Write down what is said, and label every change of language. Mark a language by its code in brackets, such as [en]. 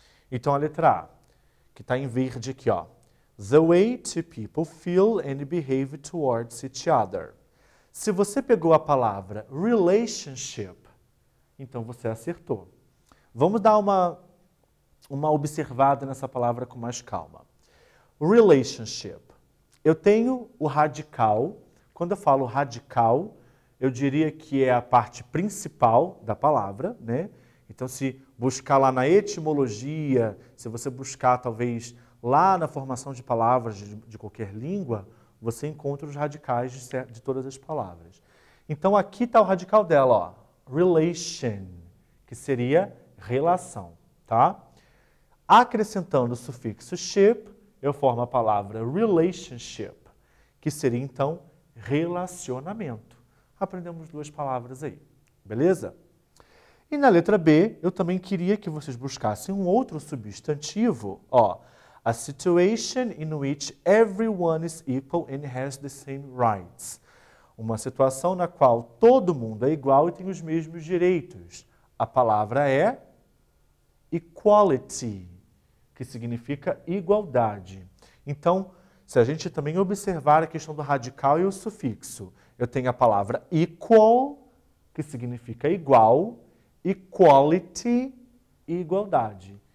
[pt] Então, a letra A, que está em verde aqui, ó. [en] The way two people feel and behave towards each other. [pt] Se você pegou a palavra relationship, então você acertou. Vamos dar uma observada nessa palavra com mais calma. Relationship. Eu tenho o radical. Quando eu falo radical, eu diria que é a parte principal da palavra, né? Então, se buscar lá na etimologia, se você buscar talvez lá na formação de palavras de qualquer língua, você encontra os radicais de todas as palavras. Então, aqui está o radical dela, ó. Relation, que seria relação, tá? Acrescentando o sufixo ship, eu formo a palavra relationship, que seria, então, relacionamento. Aprendemos duas palavras aí, beleza? E na letra B, eu também queria que vocês buscassem um outro substantivo, ó. [en] A situation in which everyone is equal and has the same rights. [pt] Uma situação na qual todo mundo é igual e tem os mesmos direitos. A palavra é equality, que significa igualdade. Então, se a gente também observar a questão do radical e o sufixo, eu tenho a palavra equal, que significa igual, equality e igualdade.